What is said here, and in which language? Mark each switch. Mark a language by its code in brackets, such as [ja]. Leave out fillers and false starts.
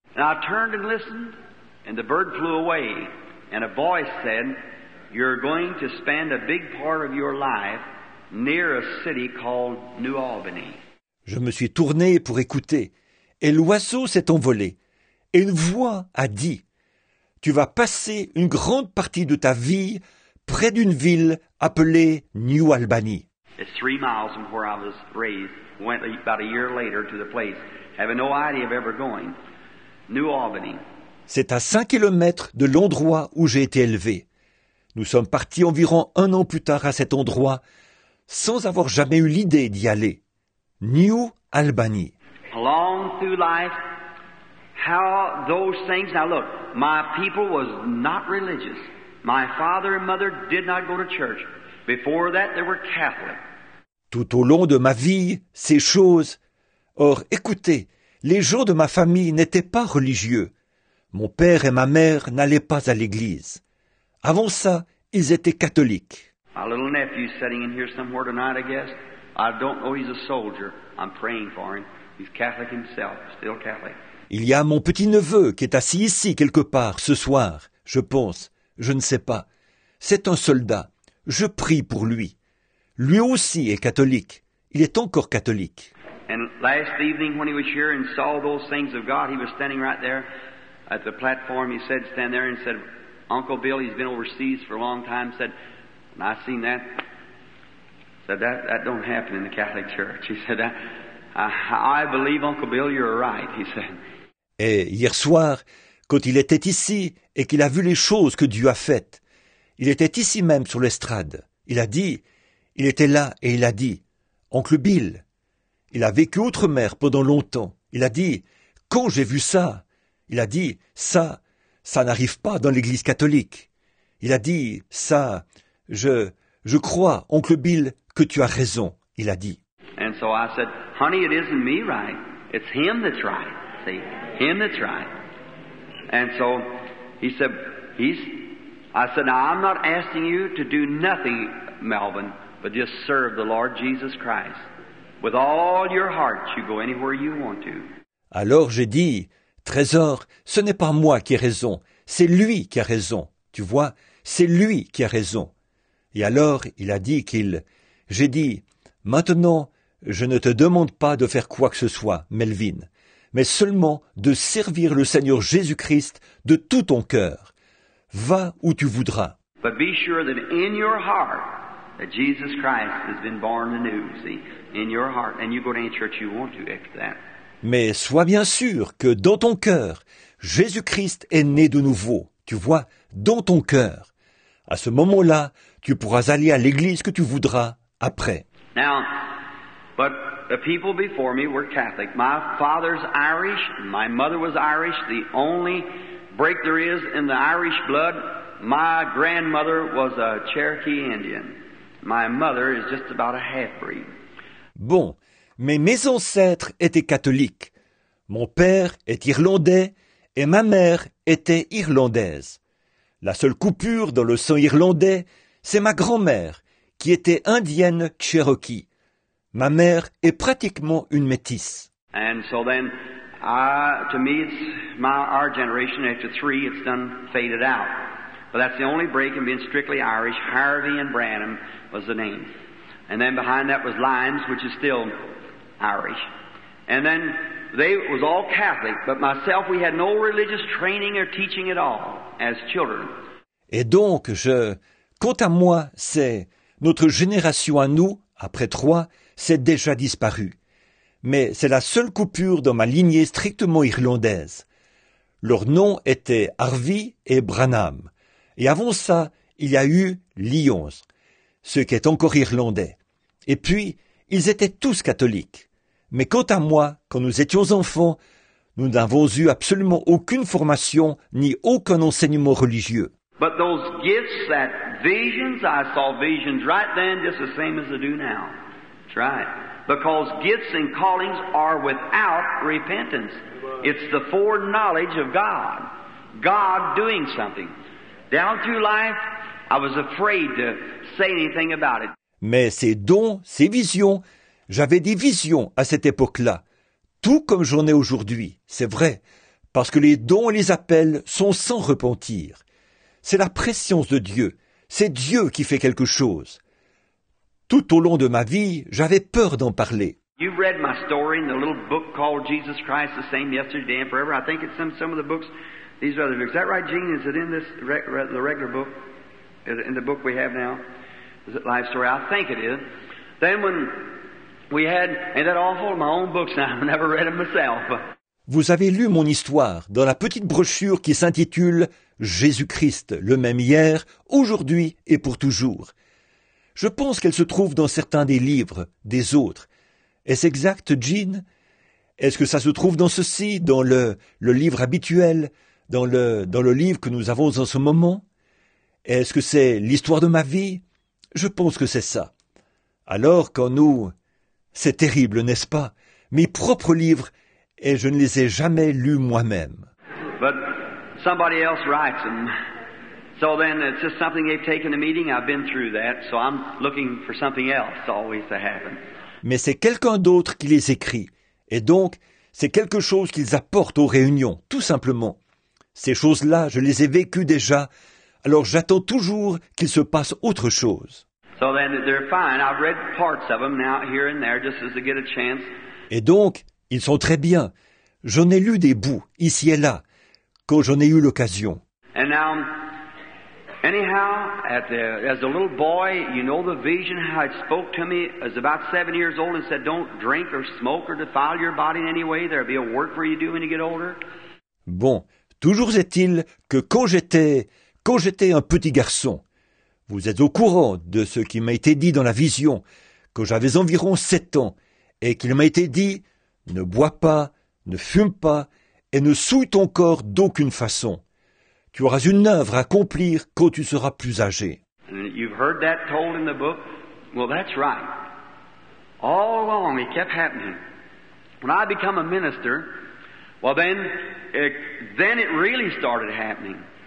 [en] And I turned and listened, and the bird flew away. And a voice said, you're going to spend a big part of your life near a city called New Albany. [fr] Je me suis tourné pour écouter, et l'oiseau s'est envolé, et une voix a dit, tu vas passer une grande partie de ta vie près d'une ville appelée New Albany. [en] It's 3 miles from where I was raised, went about a year later to the place, having no idea of ever going, New Albany. [fr] C'est à 5 kilomètres de l'endroit où j'ai été élevé. Nous sommes partis environ un an plus tard à cet endroit, sans avoir jamais eu l'idée d'y aller. New Albany. [en] Along through life, how those things... Now look, my people was not religious. My father and mother did not go to church. Before that, they were Catholic. [fr] Tout au long de ma vie, ces choses... Or, écoutez, les gens de ma famille n'étaient pas religieux. Mon père et ma mère n'allaient pas à l'église. Avant ça, ils étaient catholiques. [en] My little nephew sitting in here somewhere tonight, I guess. I don't know, he's a soldier. I'm praying for him. He's Catholic himself, still Catholic. [fr] Il y a mon petit neveu qui est assis ici quelque part ce soir, je pense. Je ne sais pas. C'est un soldat. Je prie pour lui. Lui aussi est catholique. Il est encore catholique. [en] And last evening when he was here and saw those things of God, he was standing right there at the platform. He said, stand there and said, Uncle Bill, he's been overseas for a long time, said, and I seen that. Said that don't happen in the Catholic Church. He said, I believe Uncle Bill, you're right. He said. [fr] Et hier soir, quand il était ici et qu'il a vu les choses que Dieu a faites, il était ici même sur l'estrade. Il a dit, il était là et il a dit, Oncle Bill, il a vécu outre-mer pendant longtemps. Il a dit, quand j'ai vu ça, il a dit, ça n'arrive pas dans l'Église catholique. Il a dit, ça. Je crois, oncle Bill, que tu as raison, il a dit. [en] And so I said, honey, it isn't me right. It's him that's right. See, him that's right. And so he said, I said, now I'm not asking you to do nothing, Melvin, but just serve the Lord Jesus Christ. With all your heart, you go anywhere you want to. [fr] Alors j'ai dit, trésor, ce n'est pas moi qui ai raison, c'est lui qui a raison. Tu vois, c'est lui qui a raison. Et alors, il a dit qu'il... J'ai dit, maintenant, je ne te demande pas de faire quoi que ce soit, Melvin, mais seulement de servir le Seigneur Jésus-Christ de tout ton cœur. Va où tu voudras. [en] But be sure that in your heart, that Jesus Christ has been born anew, see, in your heart, and you go to any church you want to after that. [fr] Mais sois bien sûr que dans ton cœur, Jésus-Christ est né de nouveau, tu vois, dans ton cœur. À ce moment-là, tu pourras aller à l'église que tu voudras après. [en] Now, but the people before me were Catholic. My father's Irish, my mother was Irish. The only break there is in the Irish blood, my grandmother was a Cherokee Indian. My mother is just about a half-breed. [fr] Bon, Mais mes ancêtres étaient catholiques. Mon père est irlandais et ma mère était irlandaise. La seule coupure dans le sang irlandais, c'est ma grand-mère, qui était indienne Cherokee. Ma mère est pratiquement une métisse. [en] And so then, to me, it's my, our generation, after three, it's done faded out. But that's the only break in being strictly Irish. Harvey and Branham was the name. And then behind that was Lyons, which is still Irish. And then they was all Catholic, but myself, we had no religious training or teaching at all as children. [fr] Et donc, quant à moi, c'est notre génération à nous, après trois, c'est déjà disparu. Mais c'est la seule coupure dans ma lignée strictement irlandaise. Leurs noms étaient Harvey et Branham. Et avant ça, il y a eu Lyons, ce qui est encore irlandais. Et puis, ils étaient tous catholiques. Mais quant à moi, quand nous étions enfants, nous n'avons eu absolument aucune formation ni aucun enseignement religieux. [en] But those gifts, that visions, I saw visions right then just the same as I do now. That's right. Because gifts and callings are without repentance. It's the foreknowledge of God. God doing something. Down through life, I was afraid to say anything about it. [fr] Mais ces dons, ces visions, j'avais des visions à cette époque-là. Tout comme j'en ai aujourd'hui, c'est vrai. Parce que les dons et les appels sont sans repentir. C'est la préscience de Dieu. C'est Dieu qui fait quelque chose. Tout au long de ma vie, j'avais peur d'en parler. [en] You've read my story in the little book called Jesus Christ, the same yesterday and forever. I think it's some of the books, these other books. Is that right, Gene? Is it in this the regular book, in the book we have now? Is it Life Story? I think it is. Then when we had, ain't that awful? My own books now. I've never read them myself. [fr] Vous avez lu mon histoire dans la petite brochure qui s'intitule « Jésus-Christ, le même hier, aujourd'hui et pour toujours ». Je pense qu'elle se trouve dans certains des livres, des autres. Est-ce exact, Jean? Est-ce que ça se trouve dans ceci, dans le livre habituel, dans le livre que nous avons en ce moment? Est-ce que c'est l'histoire de ma vie? Je pense que c'est ça. Alors, quand nous... C'est terrible, n'est-ce pas? Mes propres livres... Et je ne les ai jamais lus moi-même. [en] But somebody else writes them. So then it's just something they've taken a meeting. I've been through that. So I'm looking for something else always to happen. [fr] Mais c'est quelqu'un d'autre qui les écrit. Et donc, c'est quelque chose qu'ils apportent aux réunions, tout simplement. Ces choses-là, je les ai vécues déjà. Alors j'attends toujours qu'il se passe autre chose. [en] So then they're fine. I've read parts of them now, here and there, just as to get a chance. [fr] Et donc... Ils sont très bien. J'en ai lu des bouts, ici et là, quand j'en ai eu l'occasion. [en] And now, anyhow, as a little boy, you know the vision, how it spoke to me as about 7 years old and said, don't drink or smoke or defile your body in any way. There'll be a work for you to do when you get older. [fr] Bon, toujours est-il que quand j'étais un petit garçon, vous êtes au courant de ce qui m'a été dit dans la vision, que j'avais environ 7 ans, et qu'il m'a été dit... Ne bois pas, ne fume pas et ne souille ton corps d'aucune façon. Tu auras une œuvre à accomplir quand tu seras plus âgé. [en] You've heard that told in the book? Well, that's right. All along it kept happening. When I become a minister, well then it really started happening.